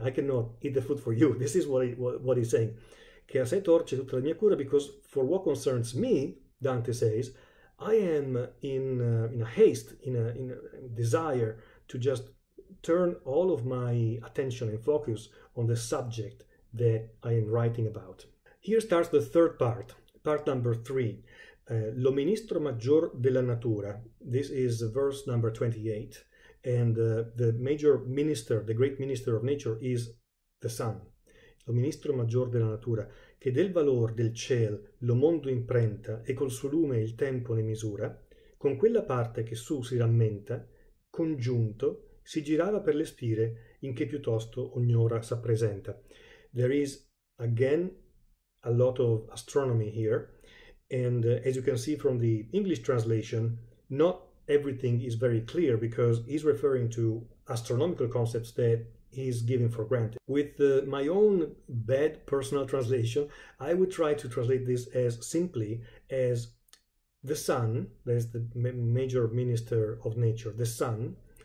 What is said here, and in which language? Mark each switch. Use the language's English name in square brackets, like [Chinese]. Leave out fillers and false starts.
[English] I cannot eat the food for you. This is what he's saying. [Italian] Che a sé torce tutta la mia cura, [English] because for what concerns me, Dante says, I am in a desire to just turn all of my attention and focus on the subject that I am writing about. Here starts the third part, part number 3, [Italian] lo ministro maggior della natura. [English] This is verse number 28, and the major minister, the great minister of nature is the sun. [Italian] Lo ministro maggior della natura, che del valor del ciel lo mondo imprenta e col suo lume il tempo ne misura, con quella parte che su si rammenta, congiunto, si girava per le spire in che piuttosto ognora s'appresenta. [English] There is, again, a lot of astronomy here, and as you can see from the English translation, not everything is very clear because he's referring to astronomical concepts that is given for granted. With my own bad personal translation, I would try to translate this as simply as the sun, that is the major minister of nature, the sun,